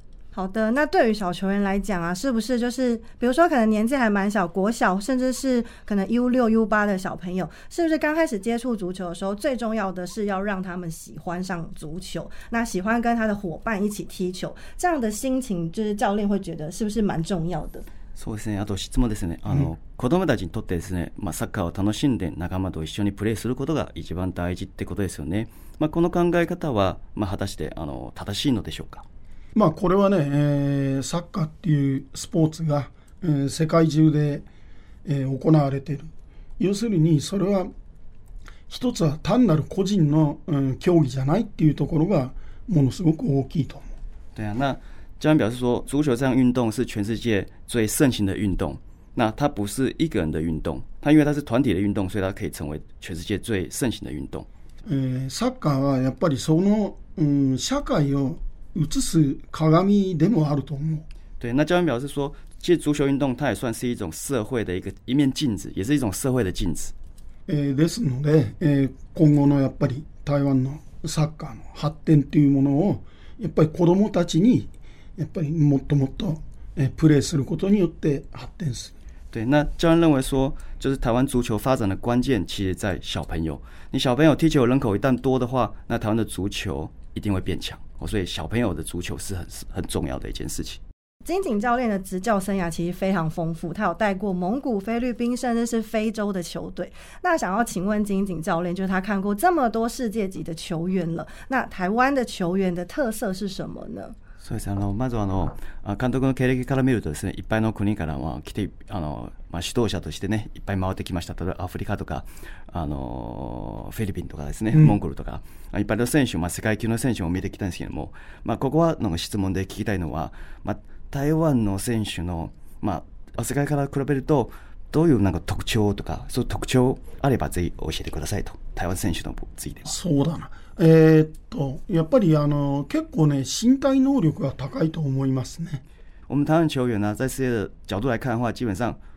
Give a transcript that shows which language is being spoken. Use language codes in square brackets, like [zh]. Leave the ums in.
[zh] 好的，那对于小球员来讲啊，是不是就是比如说可能年纪还蛮小，国小甚至是可能 U 六、U 八的小朋友，是不是刚开始接触足球的时候，最重要的是要让他们喜欢上足球，那喜欢跟他的伙伴一起踢球，这样的心情，就是教练会觉得是不是蛮重要的？ [ja] そうですね、あと質問ですね、あの、うん、子どもたちにとってですね、ねまあ、サッカーを楽しんで仲間と一緒にプレーすることが一番大事ってことですよね、まあ、この考え方は、まあ、果たしてあの正しいのでしょうか、まこれはね、えサッカーっていうスポーツが、え世界中で、え行われている、要するにそれは一つは単なる個人の、競技じゃないっていうところが、ものすごく大きいと思う。だよな [zh] 教练表示说：“足球这项运动是全世界最盛行的运动。那它不是一个人的运动，它因为它是团体的运动，所以它可以成为全世界最盛行的运动。 [ja] 欸”呃，サッカーはやっぱりそのう、嗯、社会を映す鏡でもあると思う。 [zh] 对，那教练表示说，其实足球运动它也算是一种社会的一个一面镜子，也是一种社会的镜子。 [ja] え、欸、ですので、え、欸、今後のやっぱり台湾のサッカーの発展というものをやっぱり子どもたちに。やっぱりもっともっとプレーすることによって発展する。 [zh] 对，那教练认为说，就是台湾足球发展的关键，其实在小朋友。你小朋友踢球人口一旦多的话，那台湾的足球一定会变强。所以小朋友的足球是很很重要的一件事情。金井教练的执教生涯其实非常丰富，他有带过蒙古、菲律宾，甚至是非洲的球队。那想要请问金井教练，就是他看过这么多世界级的球员了，那台湾的球员的特色是什么呢？ [ja] そうですあのまずあの監督の経歴から見るとです、ね、いっぱいの国からは来てあの、ま指、あ、導者として、ね、いっぱい回ってきました、例えばアフリカとかあのフィリピンとかです、ね、モンゴルとか、うん、いっぱいの選手、まあ、世界級の選手も見てきたんですけども、まあ、ここはの質問で聞きたいのは、ま台湾の選手の、ま世界から比べると、どういうなんか特徴とか、そういう特徴あればぜひ教えてくださいと、台湾選手のついては。そうだな。えー、っと、やっぱりあの結構ね、身体能力が高いと思いますね。 [zh] 我们台湾球员呢，在世界的角度来看的话，基本上、